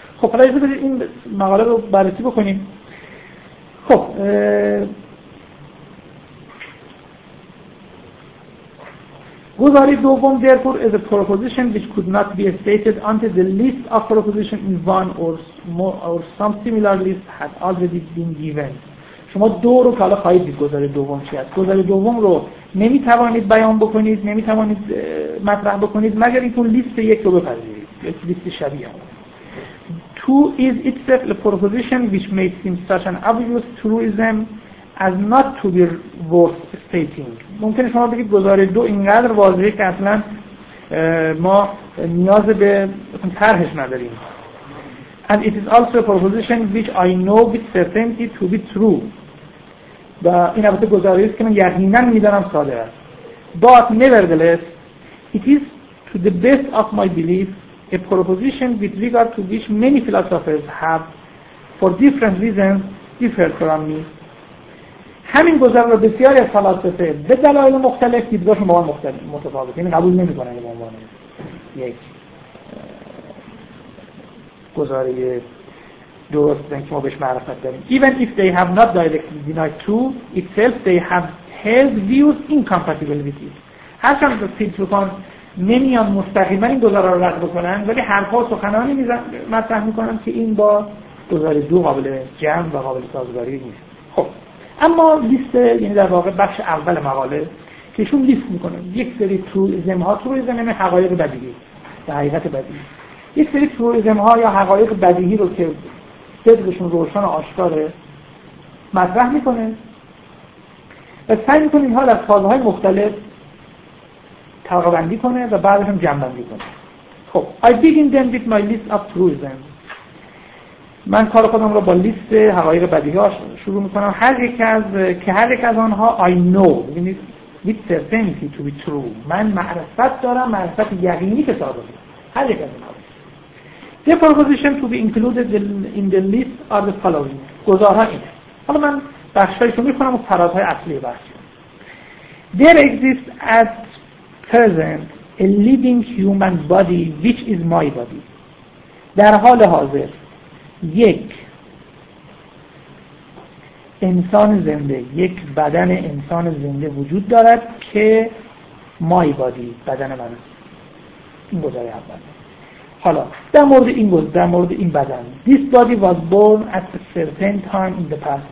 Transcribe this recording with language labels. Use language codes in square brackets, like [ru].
[fa] خب حالا اجازه بدید این مقاله رو بررسی بکنیم. خب گزاری دوم، [en] therefore is a proposition which could not be stated until the list of proposition in one or more or some similar list had already been given. [fa] شما دو رو که حالا خواهید دید گزاری دوم چی هست، گزاری دوم رو نمیتوانید بیان بکنید، نمیتوانید مطرح بکنید مگر اینکه لیست یک رو بپذیرید، یک لیست شبیه اون. [en] Two is itself a proposition which may seem such an obvious truism as not to be worth stating. [fa] ممکنه شما بگید گزاره دو اینقدر واضحه که اصلا ما نیاز به طرحش نداریم. [en] And it is also a proposition which I know with certainty to be true. [fa] و این البته گزاره است که من یقیناً میدانم صادق است. [en] But nevertheless, it is to the best of my belief a proposition with regard to which many philosophers have for different reasons differed from me. [fa] همین گزاره رو بسیاری از فلاسفه به دلایل مختلف دیدگاهشون با من متفاوته، یعنی قبول نمی‌کنن به عنوان یک گزاره درست که ما بهش معرفت داریم. [en] Even if they have not directly denied truth itself, they have held views incompatible with it. [fa] هرچند که فیلسوفان نمیان مستقیما این گزاره رو رد بکنن، ولی حرفا و سخنانی مطرح میکنن که این با گزاره دو قابل جمع و قابل سازگاری نیست. خب اما لیست، یعنی در واقع بخش اول مقاله کهشون لیست میکنن یک سری تروئیزم ها، تروئیزم یعنی حقایق بدیهی، حقیقت بدیهی، یک سری تروئیزم ها یا حقایق بدیهی رو که صدقشون روشن و آشکاره مطرح میکنه و سعی میکنه اینها در فازهای مختلف طبقه بندی کنه و بعدش هم جمع بندی کنه. [en] خب I begin then with my list of truisms. [fa] من کار خودم رو با لیست حقایق بدیهی شروع میکنم، هر یک از که هر یک از آنها [en] I know with certainty to be true. [fa] من معرفت دارم، معرفت یقینی که صادقه هر یک از آنها. [en] The proposition to be included in the list are the following. [fa] گزاره اینه. حالا من بخشایشو میخونم و فرادهای اصلی بخشی. [en] There exists at present a living human body which is my body. [fa] در حال حاضر یک انسان زنده، یک بدن انسان زنده وجود دارد که [en] my body، [fa] بدن من است. این گزاره اول. حالا در مورد این بود، در مورد این بدن، [en] this body was born at a certain time in the past.